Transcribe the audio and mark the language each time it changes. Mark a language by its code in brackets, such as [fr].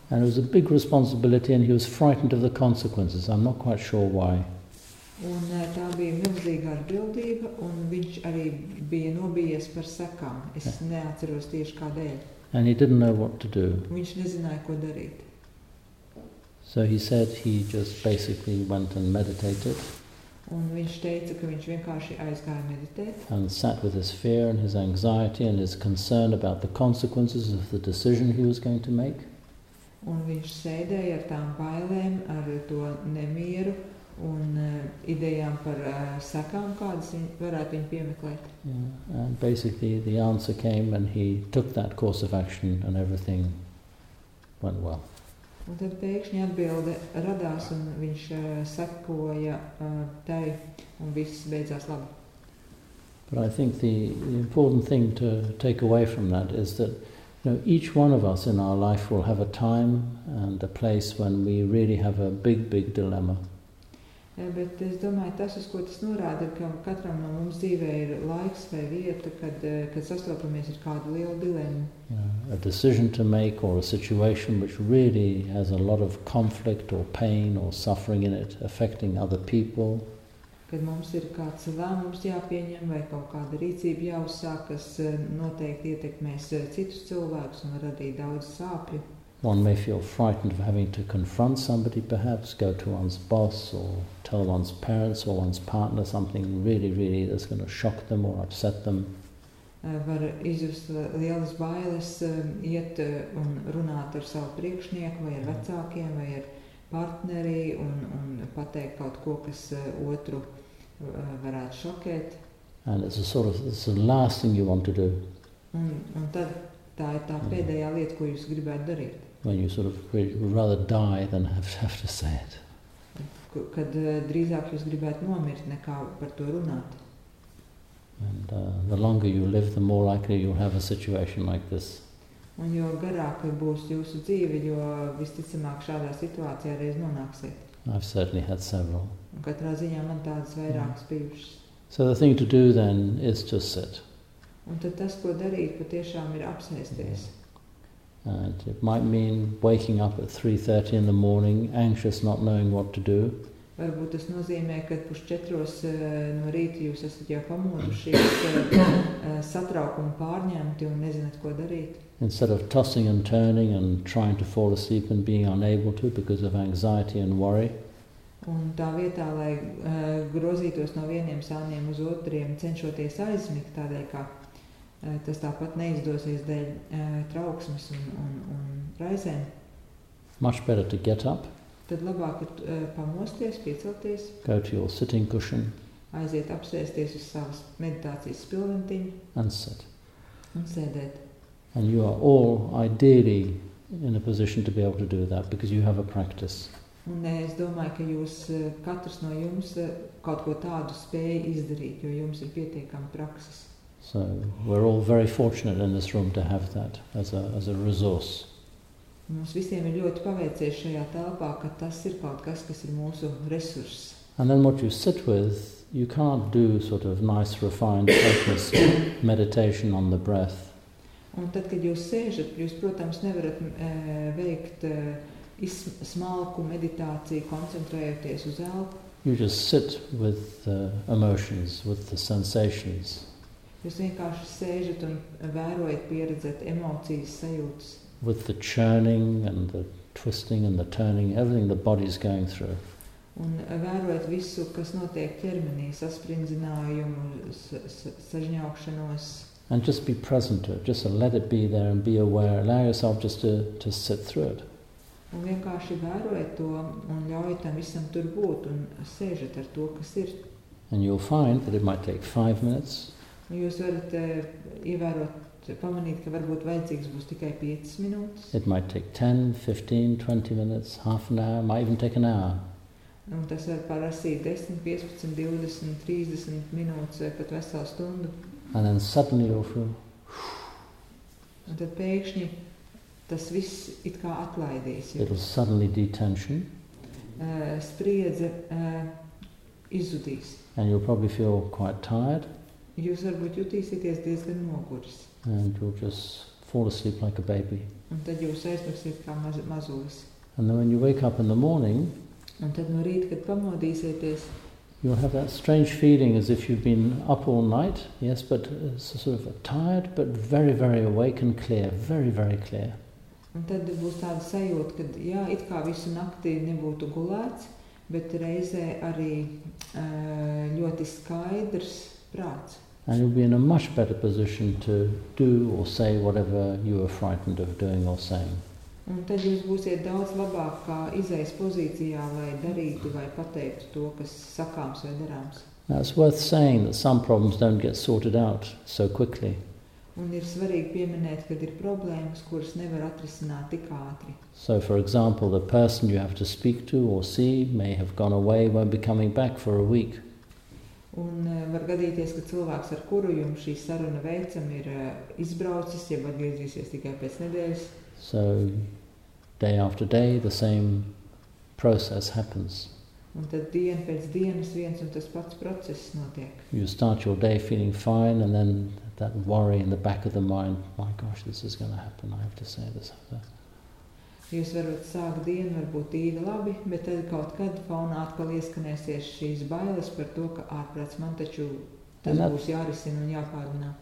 [en] And it was a big responsibility and he was frightened of the consequences. I'm not quite sure why. [lv] Un tā bija milzīga atbildība un viņš arī bija nobijies par sekām. Es neatceros tieši kādēļ. [en] And he didn't know what to do. [lv] Viņš nezināja, ko darīt. [en] So he said he just basically went and meditated. [lv] Un viņš teica, ka viņš vienkārši aizgāja meditēt. [en] And sat with his fear and his anxiety and his concern about the consequences of the decision he was going to make. [lv] Un viņš sēdēja ar tām bailēm, ar to nemieru un idejām par sekām, kādas varētu viņu piemeklēt. [en] Yeah. And basically the answer came and he took that course of action and everything went well. [lv] Un tad pēkšņi atbilde radās, un viņš sekoja tai, un viss beidzās labi. [en] But I think the important thing to take away from that is that, you know, each one of us in our life will have a time and a place when we really have a big, big dilemma. [lv] Bet es domāju, tas, uz ko tas norāda, ir, ka katram no mums dzīvē ir laiks vai vieta, kad sastopamies ar kādu lielu dilemmu. [en] Yeah, a decision to make or a situation which really has a lot of conflict or pain or suffering in it affecting other people. [lv] Kad mums ir kāds lēmums jāpieņem vai kaut kāda rīcība jāuzsāk, kas noteikti ietekmēs citus cilvēkus un radīt daudz sāpju. [en] One may feel frightened of having to confront somebody, perhaps go to one's boss or tell one's parents or one's partner something really, really that's going to shock them or upset them. [lv] Var izjust lielas bailes iet un runāt ar savu priekšnieku vai ar vecākiem vai ar partneri un pateikt kaut ko, kas otru varētu šokēt. [en] And it's a sort of, it's the last thing you want to do. [lv] Un tad tā ir tā pēdējā lieta, ko jūs gribētu darīt. [en] When you sort of rather die than have to say it. [lv] Kad drīzāk jūs gribētu nomirt, nekā par to runāt. [en] And the longer you live, the more likely you'll have a situation like this. [lv] Un jo garāk būs jūsu dzīve, jo visticamāk šādā situācijā reiz nonāksiet. [en] I've certainly had several. [lv] Un katrā ziņā man tādas vairākas bijušas. [en] So the thing to do then is to sit. [lv] Un tad tas, ko darīt, patiešām ir apsēsties. [en] And it might mean waking up at 3:30 in the morning, anxious, not knowing what to do. [lv] Varbūt tas nozīmē, ka pusčetros no rīta jūs esat jau pamodušies, satraukumu pārņemti un nezināt, ko darīt. [en] Instead of tossing and turning and trying to fall asleep and being unable to because of anxiety and worry. [lv] Un tā vietā, lai grozītos no vieniem sāniem uz otriem, cenšoties aizmigt tādēļ, kā tas tāpat neizdosies dēļ trauksmes un raizēm. [en] Much better to get up. [lv] Tad labāk ir pamosties, piecelties. [en] Go to your sitting cushion. [lv] Aiziet apsēsties uz savas meditācijas spilventiņu. [en] And sit. [lv] Un sēdēt. [en] And you are all ideally in a position to be able to do that because you have a practice. [lv] Un es domāju, ka jūs katrs no jums kaut ko tādu spēj izdarīt, jo jums ir pietiekama prakses. [en] So we're all very fortunate in this room to have that as a resource. [lv] Mums visiem ir ļoti paveicies šajā telpā, ka tas ir kaut kas, kas ir mūsu resurss. [en] And then what you sit with, you can't do sort of nice refined focus meditation on the breath. [lv] Un tad, kad jūs sēžat, jūs, protams, nevarat veikt smalku meditāciju, koncentrējoties uz elpu. [en] You just sit with the emotions, with the sensations. [lv] Jūs vienkārši sēžat un vērojat, pieredzat emocijas, sajūtas. [en] With the churning and the twisting and the turning, everything the body is going through. [lv] Un vērojat visu, kas notiek ķermenī, sasprindzinājumu, sažņaukšanos. [en] And just be present to it, just to let it be there and be aware, allow yourself just to sit through it. [lv] Un vienkārši vērojat to un ļaujat tam visam tur būt un sēžat ar to, kas ir. [en] And you'll find that it might take 5 minutes. [lv] Jūs varat ievērot, pamanīt, ka varbūt vajadzīgs būs tikai 5 minūtes. [en] It might take 10, 15, 20 minutes, half an hour, might even take an hour. [lv] Un tas var parasīt 10, 15, 20, 30 minūtes, pat veselu stundu. [en] And then suddenly you feel... [lv] Un tad pēkšņi tas viss it kā atlaidīs. [en] It will suddenly detension. [lv] Spriedze izzudīs. [en] And you'll probably feel quite tired. [lv] Jūs varbūt jūtīsieties diezgan noguris. [en] And you'll just fall asleep like a baby. [lv] Un tad jūs aizmirsiet kā mazulis. [en] And then when you wake up in the morning, [lv] un tad no rīta, kad pamodīsieties, [en] you'll have that strange feeling as if you've been up all night, yes, but sort of tired, but very, very awake and clear, very, very clear. [lv] Un tad būs tāda sajūta, kad jā, it kā visu nakti nebūtu gulēts, bet reizē arī ļoti skaidrs, prāts. [en] And you'll be in a much better position to do or say whatever you are frightened of doing or saying. [lv] Un tad jūs būsiet daudz labāk kā izejas pozīcijā, lai darītu vai pateiktu to, kas sakāms vai darāms. [en] That's worth saying that some problems don't get sorted out so quickly. [lv] Un ir svarīgi pieminēt, kad ir problēmas, kuras nevar atrisināt tik ātri. [en] So for example, the person you have to speak to or see may have gone away when be coming back for a week. [lv] Un var gadīties, ka cilvēks, ar kuru jums šī saruna veicam, ir izbraucis, jeb atgriezīsies tikai pēc nedēļas. [en] So, day after day, the same process happens. [lv] Un tad dienu pēc dienas viens un tas pats process notiek. [en] You start your day feeling fine and then that worry in the back of the mind, my gosh, this is going to happen, I have to say this. [lv] Jūs varat sākt dienu, varbūt tīri labi, bet tad kaut kad fonā atkal ieskanēsies šīs bailes par to, ka ārprāts man taču tas būs jārisina un jāpārmanā.